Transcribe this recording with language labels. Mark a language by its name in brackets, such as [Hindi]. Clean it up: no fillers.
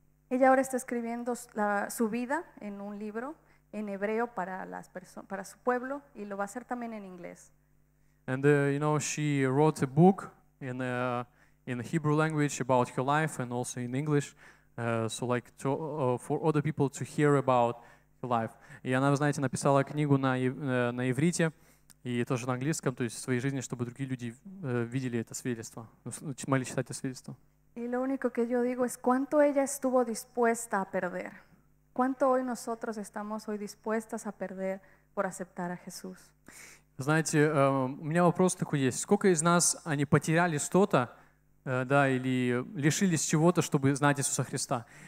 [Spanish] Ella ahora está escribiendo su vida en un libro en hebreo para su pueblo y lo va a hacer también en inglés. [English] And you know, she wrote a book in the Hebrew language about her life and also in English, for other people to hear about her life. [Russian] И она, вы знаете, написала книгу на иврите и тоже на английском, то есть в своей жизни, чтобы другие люди видели это свидетельство, могли читать это свидетельство. [Spanish] Y lo único que yo digo es cuánto ella estuvo dispuesta a perder. ¿Cuánto hoy nosotros estamos hoy dispuestas a perder por aceptar a Jesús? [Russian] Знаете, у меня вопрос такой есть. Сколько из нас, они потеряли что-то, да, или лишились чего-то, чтобы знать Иисуса Христа?